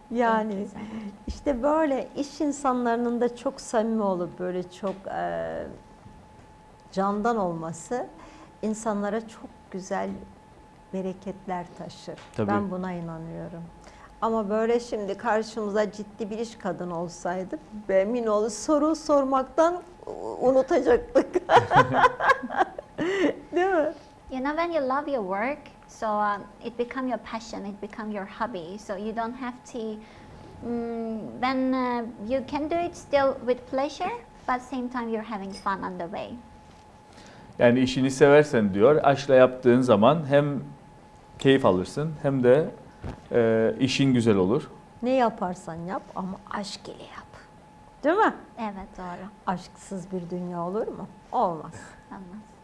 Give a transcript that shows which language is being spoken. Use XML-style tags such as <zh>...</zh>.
<tr>Yani işte böyle iş insanlarının da çok samimi olup böyle çok candan olması insanlara çok güzel bereketler taşır. Tabii. Ben buna inanıyorum. Ama böyle şimdi karşımıza ciddi bir iş kadın olsaydı emin ol soru sormaktan unutacaktık. Değil mi?</tr> <en>You know, when you love your work, so it become your passion, it become your hobby. So you don't have to, then you can do it still with pleasure, but same time you're having fun on the way.</en> <tr>Yani işini seversen diyor, aşkla yaptığın zaman hem keyif alırsın hem de işin güzel olur. Ne yaparsan yap ama aşk ile yap. Değil mi? Evet, doğru. Aşksız bir dünya olur mu? Olmaz. Olmaz.</tr>